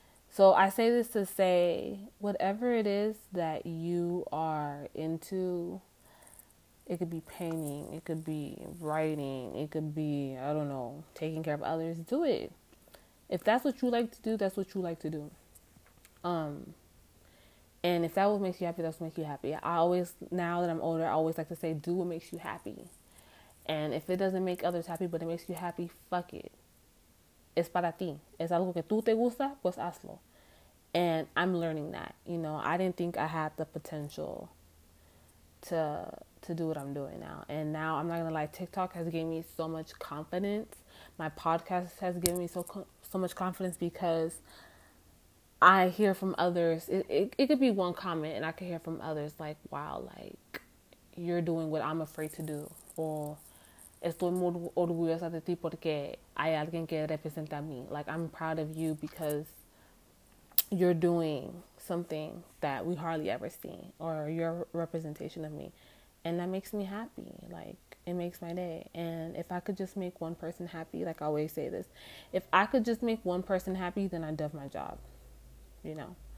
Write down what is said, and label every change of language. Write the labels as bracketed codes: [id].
[en] So I say this to say, whatever it is that you are into, it could be painting, it could be writing, it could be, I don't know, taking care of others, do it. If that's what you like to do, that's what you like to do. And if that will make you happy, that's what makes you happy. I always, now that I'm older, I always like to say, do what makes you happy. And if it doesn't make others happy, but it makes you happy, fuck it. [es] Es para ti. Es algo que tú te gusta, pues hazlo. [en] And I'm learning that. You know, I didn't think I had the potential to do what I'm doing now. And now, I'm not going to lie, TikTok has given me so much confidence. My podcast has given me so much confidence because I hear from others, it could be one comment, and I could hear from others like, wow, like, you're doing what I'm afraid to do, or [es] estoy muy orgullosa de ti porque hay alguien que representa a mí. [en] Like, I'm proud of you because you're doing something that we hardly ever see, or your representation of me. And that makes me happy. Like, it makes my day. And if I could just make one person happy, like I always say this, if I could just make one person happy, then I'd done my job, you know?